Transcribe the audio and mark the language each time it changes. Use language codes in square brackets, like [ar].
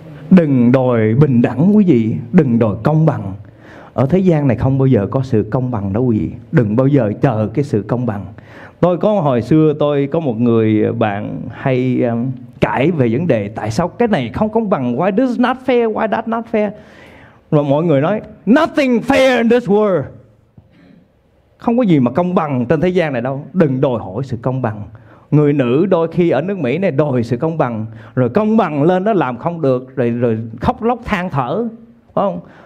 [vi] Đừng đòi bình đẳng quý vị, đừng đòi công bằng. Ở thế gian này không bao giờ có sự công bằng đâu quý vị. Đừng bao giờ chờ cái sự công bằng. Tôi có hồi xưa tôi có một người bạn hay cãi về vấn đề tại sao cái này không công bằng. [en] Why this not fair, why that not fair? [vi] Rồi mọi người nói [en] nothing fair in this world. [vi] Không có gì mà công bằng trên thế gian này đâu. Đừng đòi hỏi sự công bằng. Người nữ đôi khi ở nước Mỹ này đòi sự công bằng, rồi công bằng lên nó làm không được, rồi khóc lóc than thở, phải không?